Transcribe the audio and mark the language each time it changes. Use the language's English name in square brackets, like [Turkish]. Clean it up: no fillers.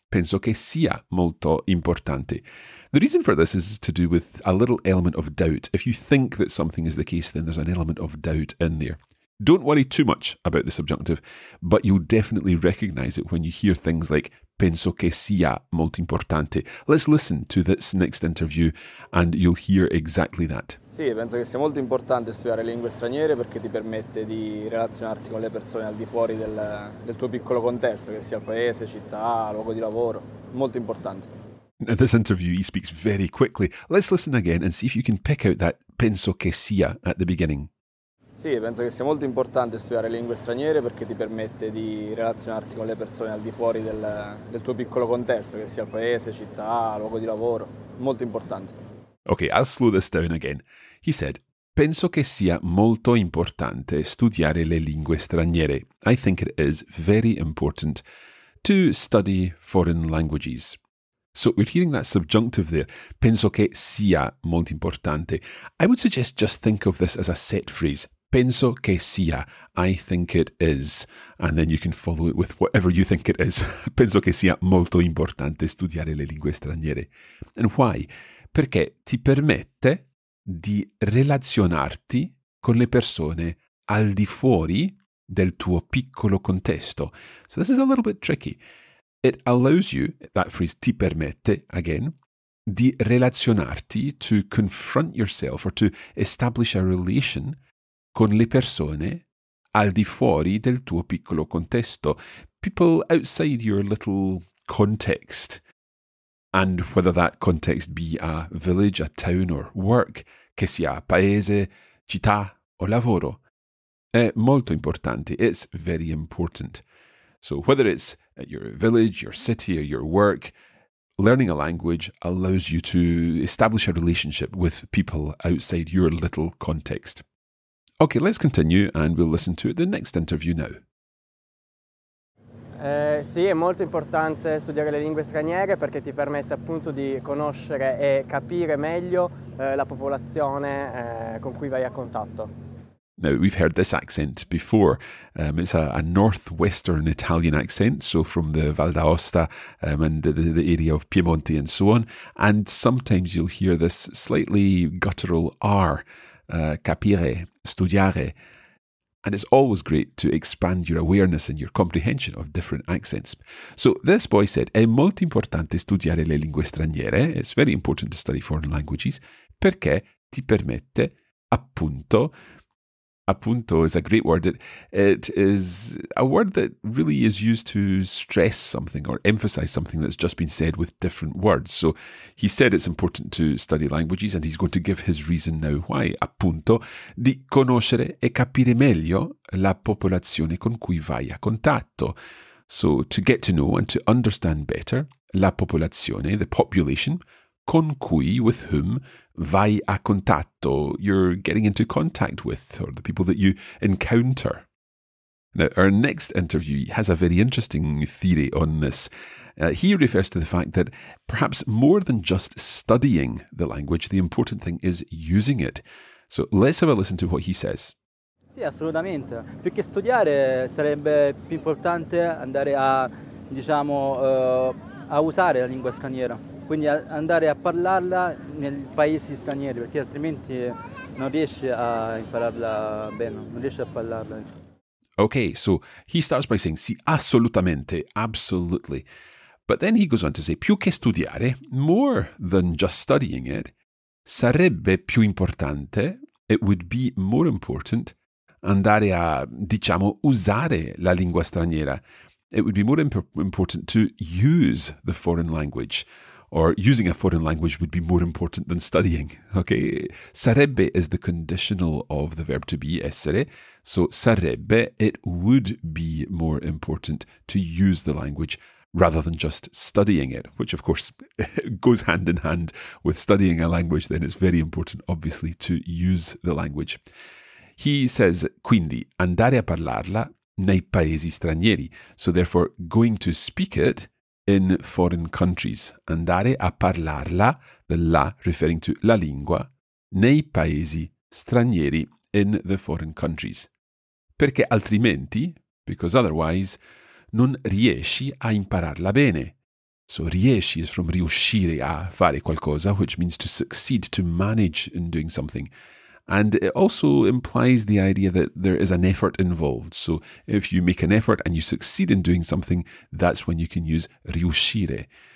[Italian] Penso che sia molto importante. [English] The reason for this is to do with a little element of doubt. If you think that something is the case, then there's an element of doubt in there. Don't worry too much about the subjunctive, but you'll definitely recognize it when you hear things like [Italian] penso che sia molto importante. [English] Let's listen to this next interview and you'll hear exactly that. [Italian] Sì, penso che sia molto importante studiare lingue straniere perché ti permette di relazionarti con le persone al di fuori del tuo piccolo contesto, che sia paese, città, luogo di lavoro. Molto importante. [English] Now, this interview, he speaks very quickly. Let's listen again and see if you can pick out that [Italian] penso che sia [English] at the beginning. [Italian] Sì, penso che sia molto importante studiare lingue straniere perché ti permette di relazionarti con le persone al di fuori del tuo piccolo contesto, che sia paese, città, luogo di lavoro. Molto importante. [English] Okay, I'll slow this down again. He said, [Italian] penso che sia molto importante studiare le lingue straniere. [English] I think it is very important to study foreign languages. So we're hearing that subjunctive there, [Italian] penso che sia molto importante. [English] I would suggest just think of this as a set phrase, [Italian] penso che sia, [English] I think it is. And then you can follow it with whatever you think it is. [Italian] Penso che sia molto importante studiare le lingue straniere. [English] And why? [Italian] Perché ti permette di relazionarti con le persone al di fuori del tuo piccolo contesto. [English] So this is a little bit tricky. It allows you, that phrase [Italian] ti permette, [English] again, [Italian] di relazionarti, [English] to confront yourself or to establish a relation [Italian] con le persone al di fuori del tuo piccolo contesto. [English] People outside your little context. And whether that context be a village, a town, or work, [Italian] che sia paese, città, o lavoro, è molto importante. [English] It's very important. So whether it's at your village, your city, or your work, learning a language allows you to establish a relationship with people outside your little context. Okay, let's continue, and we'll listen to the next interview now. [Italian] Sì, è molto importante studiare le lingue straniere perché ti permette appunto di conoscere e capire meglio la popolazione con cui vai a contatto. [English] Now, we've heard this accent before. It's a northwestern Italian accent, so from the Val d'Aosta and the area of Piemonte and so on. And sometimes you'll hear this slightly guttural R, capire, studiare. And it's always great to expand your awareness and your comprehension of different accents. So this boy said, [Italian] è molto importante studiare le lingue straniere. [English] It's very important to study foreign languages [Italian] perché ti permette, appunto, appunto [English] is a great word. It is a word that really is used to stress something or emphasize something that's just been said with different words. So he said it's important to study languages and he's going to give his reason now why. [Italian] Appunto, di conoscere e capire meglio la popolazione con cui vai a contatto. [English] So to get to know and to understand better [Italian] la popolazione, [English] the population, [Italian] con cui, [English] with whom, [Italian] vai a contatto, [English] you're getting into contact with, or the people that you encounter. Now, our next interview has a very interesting theory on this. He refers to the fact that perhaps more than just studying the language, the important thing is using it. So let's have a listen to what he says. [Italian] Sì, assolutamente. Più che studiare, sarebbe più importante andare a, diciamo, a usare la lingua straniera. Quindi andare a parlarla nei paesi stranieri, perché altrimenti non riesci a impararla bene, non riesci a parlarla. [English] Okay, so he starts by saying [Italian] sì, assolutamente, [English] absolutely. But then he goes on to say, [Italian] più che studiare, [English] more than just studying it, [Italian] sarebbe più importante, [English] it would be more important, [Italian] andare a, diciamo, usare la lingua straniera. [English] It would be more important to use the foreign language. or using a foreign language would be more important than studying. Okay, sarebbe is the conditional of the verb to be, essere. So sarebbe, it would be more important to use the language rather than just studying it, which of course goes hand in hand with studying a language. Then it's very important, obviously, to use the language. He says, [Italian] quindi, andare a parlarla nei paesi stranieri. [English] So therefore, going to speak it in foreign countries. [Italian] Andare a parlarla, [English] the la referring to [Italian] la lingua, nei paesi stranieri, [English] in the foreign countries. [Italian] Perché altrimenti, [English] because otherwise, [Italian] non riesci a impararla bene. [English] So riesci is from [Italian] riuscire a fare qualcosa, [English] which means to succeed, to manage in doing something. And it also implies the idea that there is an effort involved. So if you make an effort and you succeed in doing something, that's when you can use riuscire.